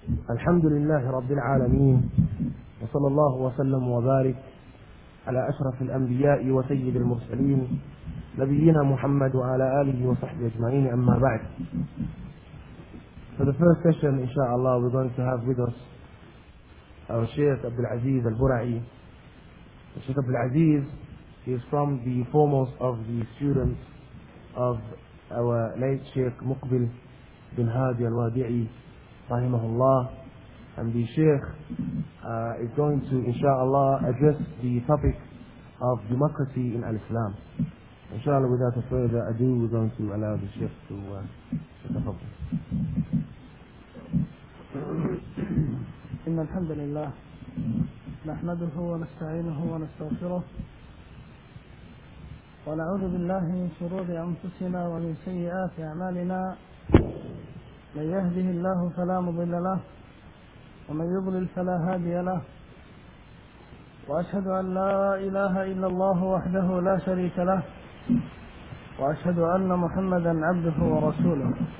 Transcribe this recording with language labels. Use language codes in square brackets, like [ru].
[ar] الحمد لله رب العالمين، وصلى الله وسلم وبارك على أشرف الأنبياء وسيد المرسلين نبينا محمد وعلى آله وصحبه أجمعين. أما بعد، [en] for the first session [ar] إن شاء الله [en] we're going to have with us our Sheikh Abdul Aziz Al-Bura'i. Sheikh Abdul Aziz is from the foremost of the students of our late Sheikh Muqbil bin Hadi Al-Wadi'i rahimahullah. And the Sheikh is going to, inshallah, address the topic of democracy in Al-Islam. Inshallah, without further ado, we're going to allow the Sheikh to take the floor. [ar] إن الحمد لله نحمده ونستعينه ونستغفره ونعوذ بالله من شرور أنفسنا ومن سيئات أعمالنا، من يهده الله فلا مضل له ومن يضلل فلا هادي له، وأشهد أن لا إله إلا الله وحده لا شريك له، وأشهد أن محمدا عبده ورسوله.